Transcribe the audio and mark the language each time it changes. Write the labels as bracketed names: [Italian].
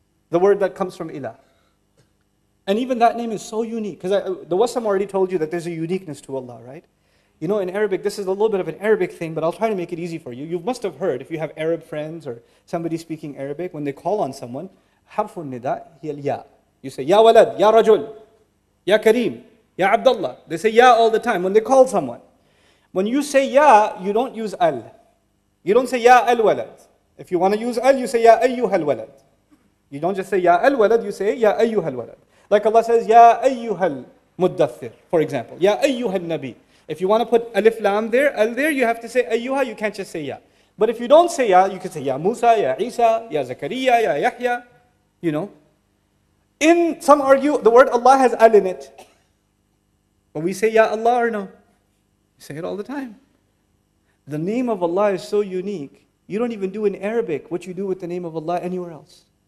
[English] The word that comes from Ilah. And even that name is so unique. Because the Wasam already told you that there's a uniqueness to Allah, right? You know, in Arabic, this is a little bit of an Arabic thing, but I'll try to make it easy for you. You must have heard, if you have Arab friends or somebody speaking Arabic, when they call on someone, [Arabic] حرف النداء هي الياء. [English] You say, [Arabic] يا ولد, يا رجل, يا كريم, يا عبد الله. [English] They say, يا all the time when they call someone. When you say, يا, you don't use al. You don't say, [Arabic] يا الولد. [English] If you want to use al, you say, [Arabic] يا أيها الولد. [English] You don't just say, [Arabic] يا الولد, [English] you say, [Arabic] يا أيها الولد. [English] Like Allah says, [Arabic] يا أيها المدثر, [English] for example. [Arabic] يا أيها النبي. [English] If you want to put alif lam there, al there, you have to say, أيها, you can't just say, يا. But if you don't say, يا, you can say, [Arabic] يا موسى, يا عيسى, يا زكريا, يا يحيى. [English] You know, in some argue the word Allah has al in it. But we say Ya Allah or no? We say it all the time. The name of Allah is so unique, you don't even do in Arabic what you do with the name of Allah anywhere else.